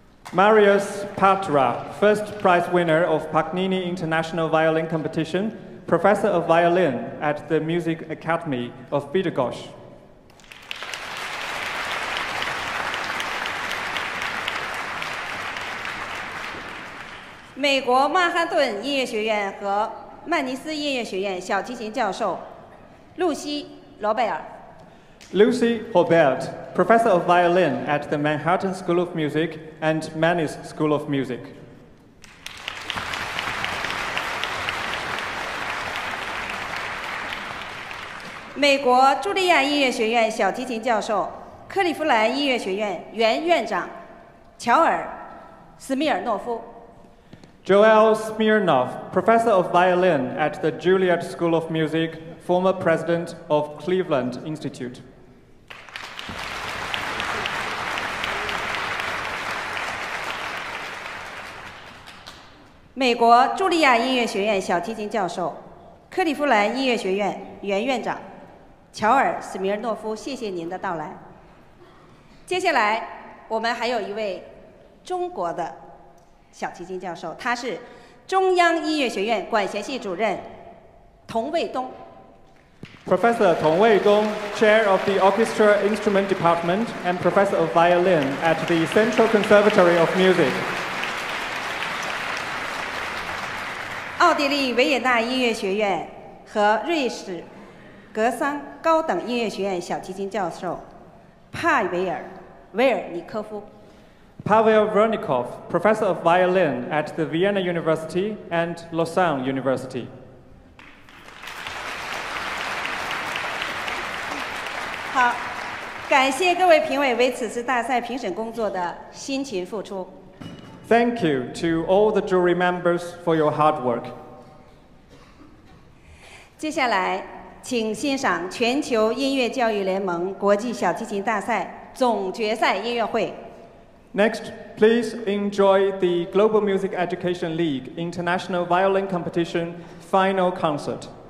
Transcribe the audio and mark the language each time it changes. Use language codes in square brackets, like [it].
[en] Marius Patra, first prize winner of Paganini International Violin Competition, professor of violin at the Music Academy of Bydgoszcz. [zh] 美国曼哈顿音乐学院和曼尼斯音乐学院小提琴教授露西·罗贝尔。 [en] Lucy Hobert, Professor of Violin at the Manhattan School of Music and Manis School of Music. [zh] 美国茱莉亚音乐学院小提琴教授、克利夫兰音乐学院原院长乔尔·斯米尔诺夫。 Joel Smirnov, Professor of Violin at the Juilliard School of Music, former President of Cleveland Institute. 美国茱莉亚音乐学院小提琴教授，克利夫兰音乐学院原院长，乔尔·斯米尔诺夫，谢谢您的到来。接下来，我们还有一位中国的小提琴教授，他是中央音乐学院管弦系主任童卫东。 [en] Professor 童卫东 Chair of the Orchestra Instrument Department and Professor of Violin at the Central Conservatory of Music. [zh] 奥地利维也纳音乐学院和瑞士格桑高等音乐学院小提琴教授帕维尔·维尔尼科夫。 [en] Pavel Vernikov, Professor of Violin at the Vienna University and Lausanne University. [zh] 好，感谢各位评委为此次大赛评审工作的辛勤付出。 [en] Thank you to all the jury members for your hard work. [zh] 接下来请欣赏全球音乐教育联盟国际小提琴大赛总决赛音乐会。 [en] Next, please enjoy the Global Music Education League International Violin Competition Final Concert.